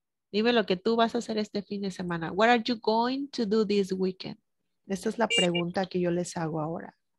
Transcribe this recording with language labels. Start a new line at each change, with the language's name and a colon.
Spanish: Dime lo que tú vas a hacer este fin de semana.
English: What are you going to do this weekend?
Spanish: Esta es la pregunta que yo les hago ahora.